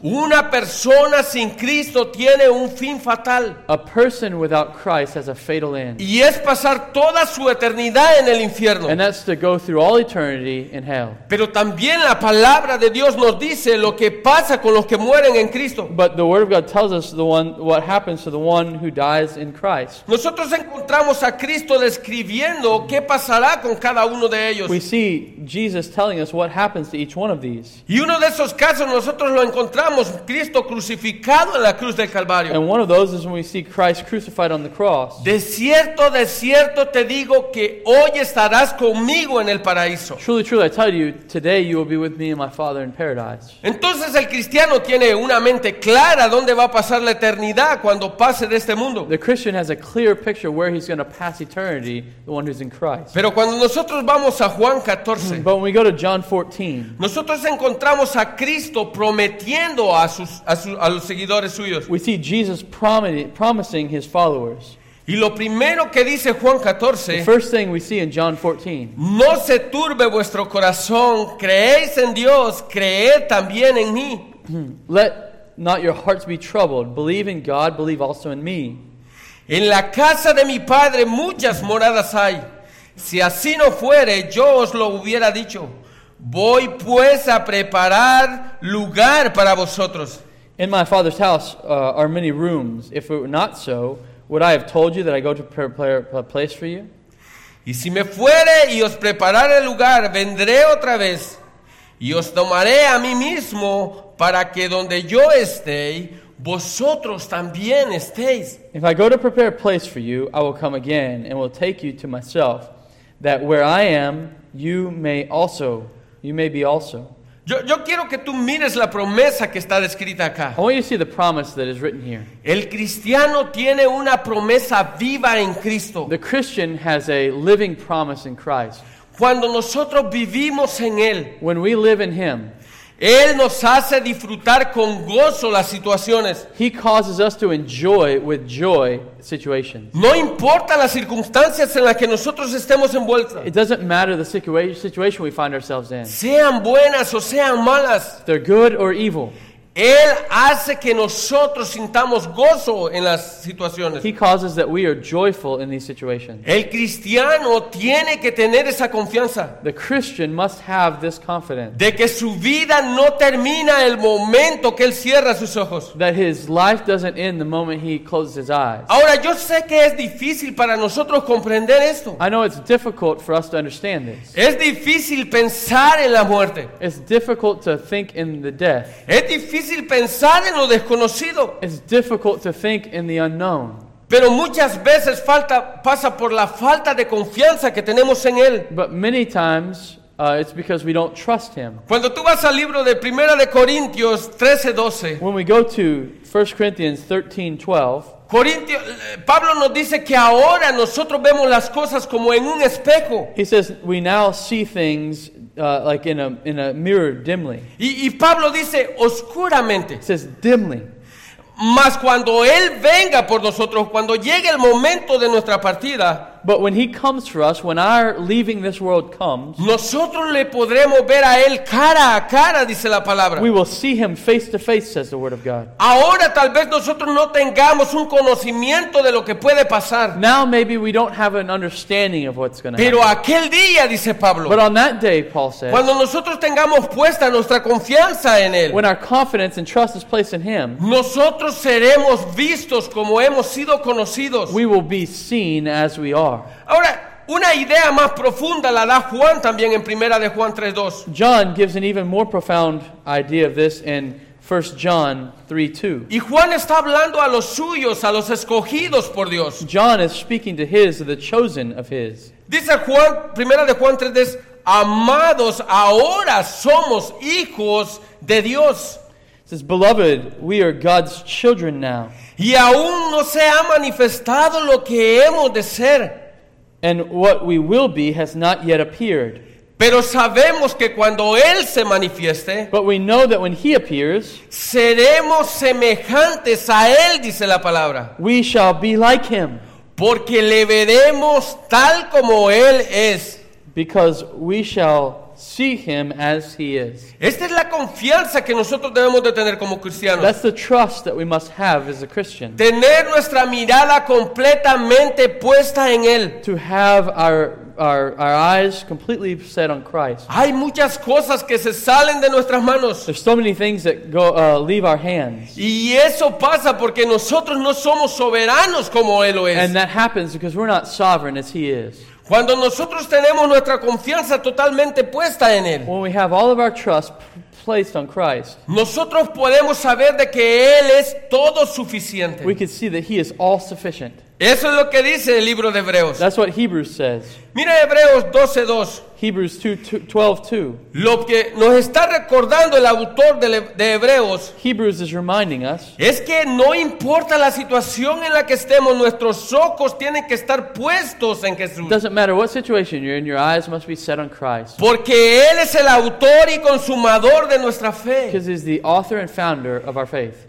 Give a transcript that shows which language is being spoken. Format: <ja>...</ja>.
<es>Una persona sin Cristo tiene un fin fatal.</es> <en>A person without Christ has a fatal end.</en> <es>Y es pasar toda su eternidad en el infierno.</es> <en>And that's to go through all eternity in hell.</en> <es>Pero también la palabra de Dios nos dice lo que pasa con los que mueren en Cristo.</es> <en>But the word of God tells us what happens to the one who dies in Christ.</en> <es>Nosotros encontramos a Cristo describiendo qué pasará con cada uno de ellos.</es> <en>We see Jesus telling us what happens to each one of these.</en> <es>Y uno de esos casos nosotros lo encontramos Cristo crucificado en la cruz del Calvario.</es> <en>And one of those is when we see Christ crucified on the cross.</en> <es>De cierto te digo que hoy estarás conmigo en el paraíso.</es> <en>Truly, truly, I tell you, today you will be with me and my Father in paradise.</en> <es>Entonces el cristiano tiene una mente clara dónde va a pasar la eternidad cuando pase de este mundo.</es> <en>The Christian has a clear picture where he's going to pass eternity, the one who's in Christ.</en> <es>Pero cuando nosotros vamos a Juan 14,</es> <en>but when we go to John 14,</en> <es>nosotros encontramos a Cristo prometiendo a los seguidores suyos.</es> <en>We see Jesus promising his followers.</en> <es>Y lo primero que dice Juan 14,</es> <en>the first thing we see in John 14,</en> <es>no se turbe vuestro corazón, creéis en Dios, creed también en mí.</es> <en>Let not your hearts be troubled, believe in God, believe also in me.</en> <es>En la casa de mi Padre muchas moradas hay, si así no fuere, yo os lo hubiera dicho. Voy pues a preparar lugar para vosotros.</es> <en>In my Father's house are many rooms, if it were not so, would I have told you that I go to prepare a place for you?</en> <es>Y si me fuere y os prepararé lugar, vendré otra vez y os tomaré a mí mismo para que donde yo esté, vosotros también estéis.</es> <en>If I go to prepare a place for you, I will come again and will take you to myself, that where I am, you may be also.</en> <es>Yo quiero que tú mires la promesa que está descrita acá.</es> <en>I want you to see the promise that is written here.</en> <es>El cristiano tiene una promesa viva en Cristo.</es> <en>The Christian has a living promise in Christ.</en> <es>Cuando nosotros vivimos en Él,</es> <en>when we live in Him,</en> <es>Él nos hace disfrutar con gozo las situaciones.</es> <en>He causes us to enjoy with joy situations.</en> <es>No importa las circunstancias en las que nosotros estemos envueltos.</es> <en>It doesn't matter the situation we find ourselves in.</en> <es>Sean buenas o sean malas.</es> <en>They're good or evil.</en> <es>Él hace que nosotros sintamos gozo en las situaciones.</es> <en>He causes that we are joyful in these situations.</en> <es>El cristiano tiene que tener esa confianza.</es> <en>The Christian must have this confidence.</en> <es>De que su vida no termina el momento que él cierra sus ojos.</es> <en>That his life doesn't end the moment he closes his eyes.</en> <es>Ahora, yo sé que es difícil para nosotros comprender esto.</es> <en>I know it's difficult for us to understand this.</en> <es>Es difícil pensar en la muerte.</es> <en>It's difficult to think in the death.</en> <es>Es difícil pensar en lo desconocido.</es> <en>It's difficult to think in the unknown.</en> <es>Pero muchas veces pasa por la falta de confianza que tenemos en él.</es> <en>But many times it's because we don't trust him.</en> <es>Cuando tú vas al libro de Primera de Corintios 13:12.</es> <en>When we go to 1 Corinthians 13:12.</en> <es>Pablo nos dice que ahora nosotros vemos las cosas como en un espejo.</es> <en>He says we now see things like in a mirror dimly.</en> <es>Y Pablo dice oscuramente.</es> <en>He says dimly.</en> <es>Mas cuando él venga por nosotros, cuando llegue el momento de nuestra partida,</es> <en>but when he comes for us, when our leaving this world comes,</en> <es>nosotros le podremos ver a él cara a cara, dice la palabra.</es> <en>We will see him face to face, says the word of God.</en> <es>Ahora tal vez nosotros no tengamos un conocimiento de lo que puede pasar.</es> <en>Now maybe we don't have an understanding of what's going to happen.</en> <es>Pero aquel día, dice Pablo.</es> <en>But on that day, Paul says,</en> <es>cuando nosotros tengamos puesta nuestra confianza en él,</es> <en>when our confidence and trust is placed in him,</en> <es>nosotros seremos vistos como hemos sido conocidos.</es> <en>We will be seen as we are.</en> <es>Ahora, una idea más profunda la da Juan también en Primera de Juan 3:2.</es> <en>John gives an even more profound idea of this in 1 John 3:2.</en> <es>Y Juan está hablando a los suyos, a los escogidos por Dios.</es> <en>John is speaking to his, the chosen of his.</en> <es>Dice Juan, Primera de Juan 3:2, amados, ahora somos hijos de Dios.</es> <en>Says, beloved, we are God's children now.</en> <es>Y aún no se ha manifestado lo que hemos de ser.</es> <en>And what we will be has not yet appeared.</en> <es>Pero sabemos que cuando Él se manifieste,</es> <en>but we know that when He appears,</en> <es>seremos semejantes a Él, dice la palabra.</es> <en>We shall be like Him.</en> <es>Porque le veremos tal como Él es.</es> <en>Because we shall see him as he is.</en> <es>Esta es la confianza que nosotros debemos de tener como cristianos.</es> <en>That's the trust that we must have as a Christian.</en> <es>Tener nuestra mirada completamente puesta en él.</es> <en>To have our eyes completely set on Christ.</en> <es>Hay muchas cosas que se salen de nuestras manos.</es> <en>There's so many things that go leave our hands.</en> <es>Y eso pasa porque nosotros no somos soberanos como él lo es.</es> <en>And that happens because we're not sovereign as he is.</en> <es>Cuando nosotros tenemos nuestra confianza totalmente puesta en él,</es> <en>when we have all of our trust placed on Christ,</en> <es>nosotros podemos saber de que él es todo suficiente.</es> <en>We can see that he is all sufficient.</en> <es>Eso es lo que dice el libro de Hebreos.</es> <en>That's what Hebrews says.</en> <es>Mira Hebreos 12:2.</es> <en>Hebrews 12:2.</en> <es>Lo que nos está recordando el autor de Hebreos,</es> <en>Hebrews is reminding us,</en> <es>es que no importa la situación en la que estemos, nuestros ojos tienen que estar puestos en Jesús.</es> <en>Doesn't matter what situation you're in, your eyes must be set on Christ.</en> <es>Porque él es el autor y consumador de nuestra fe.</es> <en>Because he's the author and founder of our faith.</en>